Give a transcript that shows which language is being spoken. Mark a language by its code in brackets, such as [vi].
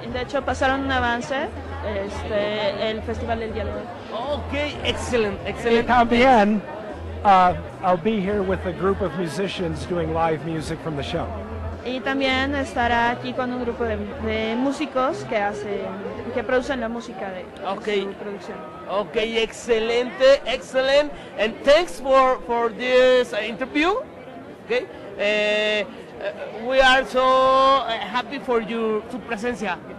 [es] De hecho, pasaron un avance el Festival del Día de Hoy. Ok, excelente. Y también, [en] I'll be here with a group of musicians doing live music from the show. [es] Y también estará aquí con un grupo de músicos que producen la música de okay. su producción. Ok, excelente. [en] And thanks for this interview. Okay. We are so happy for [es] su presencia.